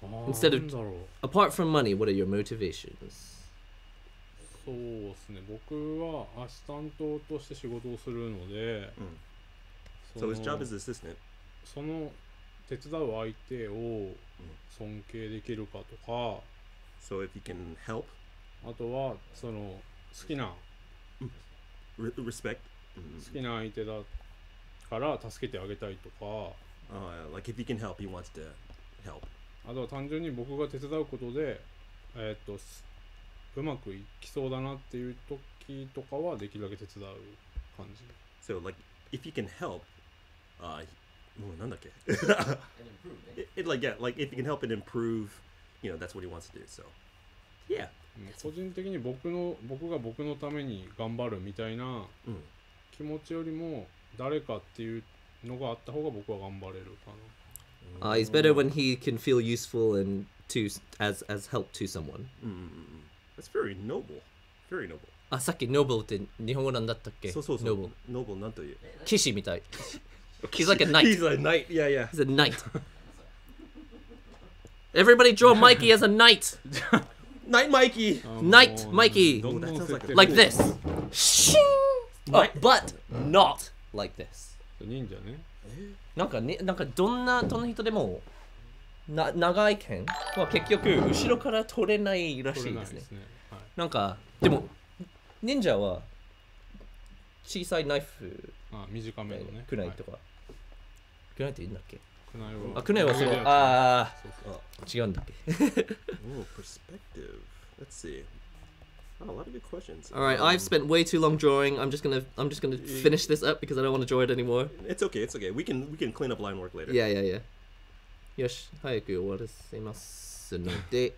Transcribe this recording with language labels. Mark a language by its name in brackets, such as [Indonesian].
[English] Instead of, apart from money, what are your motivations? [Japanese] そうですね。僕はアシスタントとして仕事をするので、 [English] So his job is assistant. [Japanese] その手伝う相手を尊敬できるかとか、 [English] So if he can help. [Japanese] あとはその好きな、 [English] Respect. [Japanese] 好きな相手だから助けてあげたいとか、 [English] like if he can help, he wants to help. [Japanese] あとは単純に僕が手伝うことで、うまくいきそうだなっていう時とかはできるだけ手伝う感じ。 [English] So like if he can help, Oh, none of it. Like, yeah, like if you can help it improve, you know, that's what he wants to do. So, yeah. [Japanese] 個人的に僕が僕のために頑張るみたいな気持ちよりも誰かっていうのがあった方が僕は頑張れるかな。 [English] It's better when he can feel useful and to as help to someone. That's very noble. Very noble. [Japanese] あ、さっきノーブルって日本語なんだったっけ？そうそうそう。ノーブル。ノーブルなんという？騎士みたい。 [English] He's like a knight. He's a knight. Yeah, yeah. He's a knight. Everybody draw Mikey as a knight. Knight Mikey. Knight Mikey. Like this. Shing. But not like this. [Japanese] 忍者ね。なんかね、なんかどんな人でもな長い剣は結局後ろから取れないらしいですね。なんかでも忍者は小さいナイフ。あ、短めのね。クナイとか。クナイっていいんだっけ？クナイは。あ、クナイはそう。ああ。違うんだっけ？ [English] Oh, perspective. Let's see. Oh, a lot of good questions. All right, I've spent way too long drawing. I'm just gonna finish this up because I don't want to draw it anymore. It's okay. It's okay. We can clean up line work later. Yeah, yeah, yeah. [Japanese] よし、早く終わらせますので。